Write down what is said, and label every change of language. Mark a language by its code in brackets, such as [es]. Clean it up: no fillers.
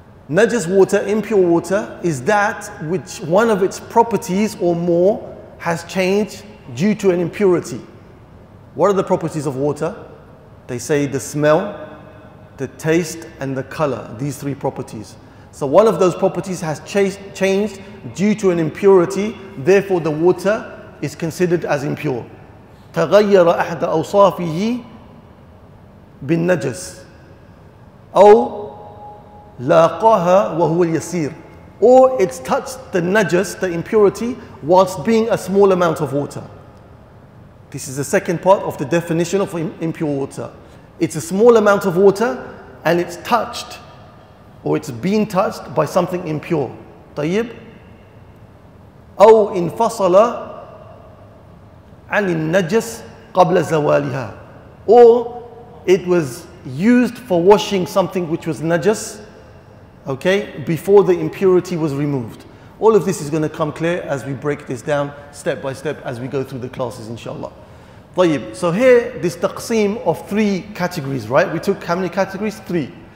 [en] Najis water, impure water, is that which one of its properties or more has changed due to an impurity. What are the properties of water? They say the smell, the taste, and the color. These three properties. So one of those properties has changed due to an impurity. Therefore, the water is considered as impure. [ar] تغير أحد أوصافه بالنجس أو لاقاها وهو اليسير. [en] Or it's touched the najas, the impurity, whilst being a small amount of water. This is the second part of the definition of impure water. It's a small amount of water and it's touched, or it's been touched by something impure. [ar] طيب. أو انفصل عن النجس قبل زوالها. [en] Or it was used for washing something which was najas, okay, before the impurity was removed. All of this is going to come clear as we break this down step by step as we go through the classes, inshallah. [ar] طيب. [en] So here, this taqseem of three categories, right? We took how many categories? Three.